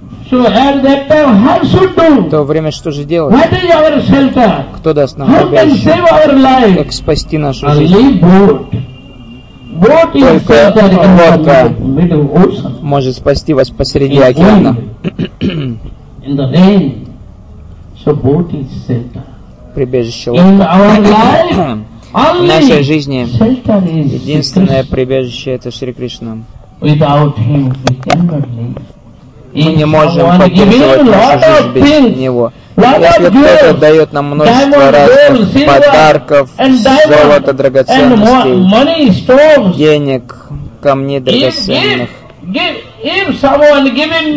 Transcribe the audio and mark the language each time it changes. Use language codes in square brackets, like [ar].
[en] So at that time, how should do? [ru] То время что же делать? [en] What is our shelter? [ru] Кто даст нам убежище? [en] How can save our life? [ru] Как спасти нашу жизнь? [en] Only boat. Boat is shelter in the middle ocean. [ru] Может спасти вас посреди океана. [en] In the rain, so boat is shelter. [ru] Прибежище. [en] In our life, [ru] в нашей жизни единственное прибежище это Шри Кришна. [en] Without him, we cannot live. [ru] Мы не можем поддерживать нашу жизнь без него. Если кто-то дает нам множество разных подарков, золота, драгоценностей, денег, камней драгоценных. [en] If someone given me,